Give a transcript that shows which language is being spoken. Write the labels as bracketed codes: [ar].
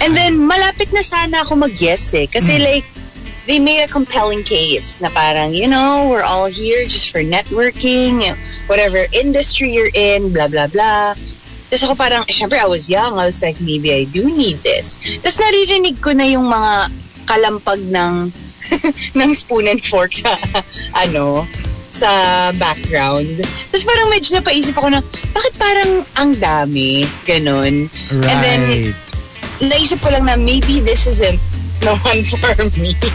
[en] And then, [tl] malapit na sana ako mag-yes eh. Kasi [en] like, they made a compelling case [tl] na parang, [en] you know, we're all here just for networking, whatever industry you're in, blah, blah, blah. [tl] Tapos ako parang, syempre, [en] I was young. I was like, maybe I do need this. [tl] Tapos naririnig ko na yung mga kalampag ng ng [en] spoon and fork [tl] sa, sa background. Tapos parang medyo napaisip ako na, bakit parang ang dami? Ganon. [en] Right. And then, [tl] naisip ko lang na, [en] maybe this isn't the one for me.